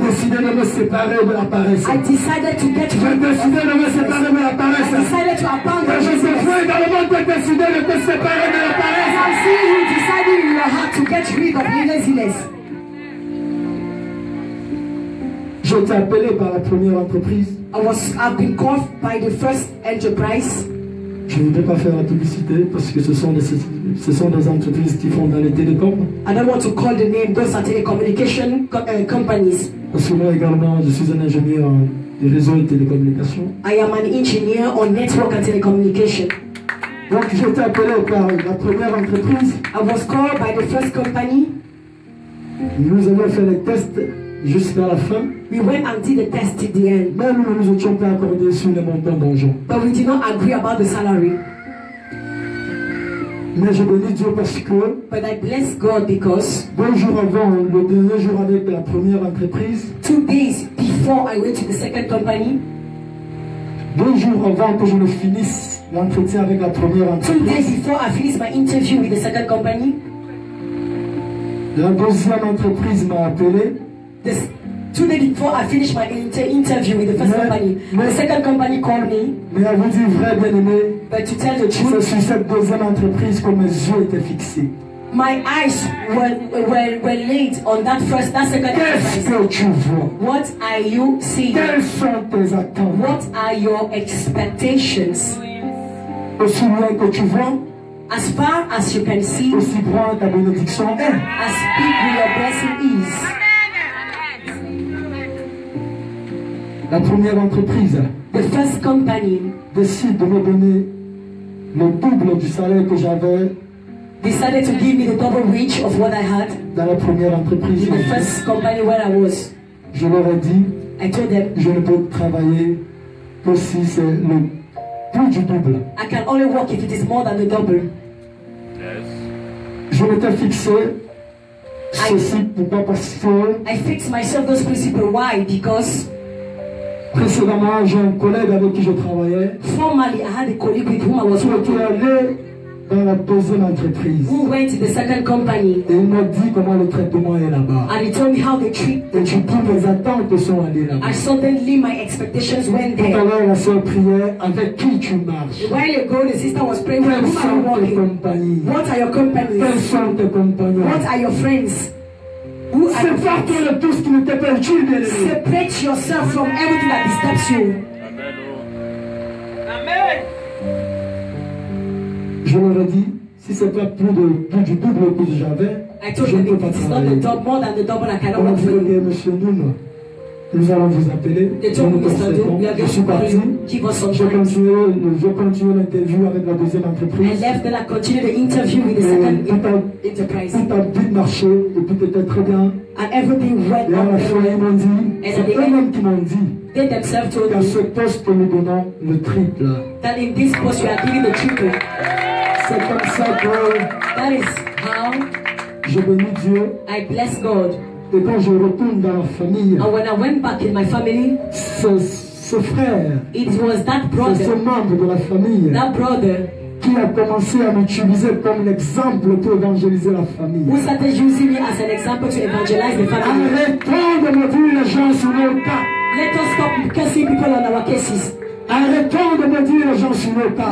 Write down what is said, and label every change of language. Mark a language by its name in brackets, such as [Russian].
[French] J'ai décidé de me séparer de la paresse. [English] I decided to get rid of it. [French] J'ai décidé de me séparer de la paresse. [English] I decided to abandon it. [French] Je suis également décidé de me séparer de la paresse. [English] I see you deciding in your heart to get rid of laziness. [French] Je t'ai appelé par la première entreprise. [English] I've been called by the first enterprise. [French] Je ne vais pas faire la publicité parce que ce sont des entreprises qui font dans les télécoms. [English] I don't want to call the name. Those are telecommunication companies. [French] Parce que moi également, je suis un ingénieur des réseaux et télécommunications. [English] I am an engineer on network and telecommunication. [French] Donc je t'ai appelé par la première entreprise. [English] I was called by the first company. [French] Nous avons fait les tests jusqu'à la fin. [English] We went until the test at the end. [French] Même nous ne nous étions pas accordés sur le montant d'argent. [English] But we did not agree about the salary. [French] Mais je bénis Dieu parce que. [English] But I bless God because. [French] Deux jours avant, le dernier jour avec la première entreprise. [English] Two days before I went to the second company. [French] Deux jours avant que je ne finisse l'entretien avec la première entreprise. [English] Two days before I finished my interview with the second company. [French] La deuxième entreprise m'a appelé. [English] This, two days before I finished my interview with the first company. The second company called me. [French] Mais à vous dire vrai, bien-aimé. [English] But to tell the truth. [French] C'est sur cette deuxième entreprise que mes yeux étaient fixés. [English] My eyes were laid on that first, that second [French] Qu'est-ce Que tu vois? [English] What are you seeing? [French] Quelles sont tes attentes? [English] What are your expectations? [French] Aussi loin que tu vois. [English] As far as you can see, [French] aussi grand ta bénédiction est, [English] as big as your blessing is. [French] La première entreprise, [English] the first company, [French] décide de me donner le double du salaire que j'avais. [English] Decided to give me the double wage of what I had. [French] Dans la première entreprise, [English] in the first company where I was, [French] je leur ai dit, [English] I told them, [French] je ne peux travailler que si c'est le plus du double. [English] I can only work if it is more than the double. [French] Yes. Je m'étais fixé ceci pourquoi parce que. [English] I fixed myself those principles. Why? Because. [French] Précédemment, j'ai un collègue avec qui je travaillais. [English] Formerly, I had a colleague with whom I was working. [French] Qui est allé dans la deuxième entreprise. [English] Who went to the second company. [French] Et il m'a dit comment le traitement est là-bas. [English] And he told me how they treat. [French] Et tu vois mes attentes sont allées là-bas. [English] I suddenly my expectations went there. [French] Tout à l'heure, la sœur priait avec qui tu marches. [English] While you go, the sister was praying with whom are you walking. [French] Compagnies. [English] What are your companions? [French] Quels sont tes compagnons? [English] What are your friends? Who are you? [French] De tout ce qui ne t'est pas utile. [English] Separate yourself from everything that disturbs you. Amen. [French] Je leur ai dit, si ce n'est pas plus du double que j'avais, je ne peux pas travailler. Je leur ai dit, monsieur Noun, nous allons vous appeler. Je suis parti. Je continue l'interview avec la deuxième entreprise. Tout a bien marché et tout était très bien. [English] And everything went [French] et à la fin, ils m'ont dit, c'est eux-mêmes qui m'ont dit, qu'à ce poste, nous donnons le triple. [English] That in this post, we are giving the triple. [French] C'est comme ça que [English] that is how [French] je bénis Dieu. [English] I bless God. [French] Et quand je retourne dans la famille, [English] and when I went back in my family, [French] ce frère, [English] it was that brother, [French] ce membre de la famille, [English] that brother, [French] qui a commencé à m'utiliser comme un exemple pour évangéliser la famille. [English] Who started using me as an example to evangelize the family. [French] Arrêtons de maudire les gens sur nos pas. [English] Let us stop cursing people on our cases. [French] Arrêtons de maudire les gens sur nos pas.